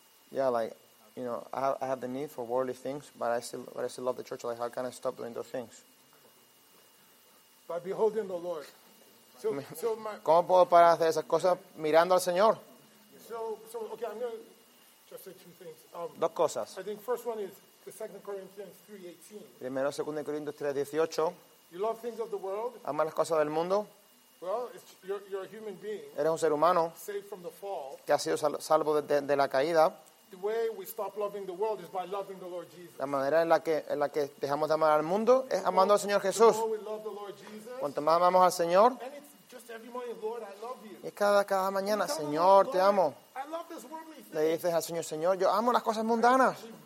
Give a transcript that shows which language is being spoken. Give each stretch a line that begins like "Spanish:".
English: Yeah, like, you know, I have the need for worldly things, but I still love the church. Like, how can I stop doing those things? By beholding the Lord.
Spanish: ¿Cómo puedo parar de hacer esas cosas mirando al Señor?
English: So okay, I'm going to just say two things.
Spanish: Dos cosas.
English: I think first one is the 2 Corinthians 3:18.
Spanish: Primero, 2 Corinthians 3:18.
English: You love things of the world.
Spanish: Amas las cosas del mundo.
English: Well, you're a human being.
Spanish: Eres un ser humano.
English: Saved from the fall.
Spanish: Que ha sido salvo de la caída.
English: The way we stop loving the world is by loving the Lord Jesus.
Spanish: La manera en la que dejamos de amar al mundo es amando al Señor Jesús.
English: The more we love the Lord Jesus.
Spanish: Cuanto más amamos al Señor.
English: And it's just every morning, Lord, I love you.
Spanish: Y es cada mañana, Señor, te amo.
English: I love this worldly thing.
Spanish: Le dices al Señor, Señor, yo amo las cosas mundanas.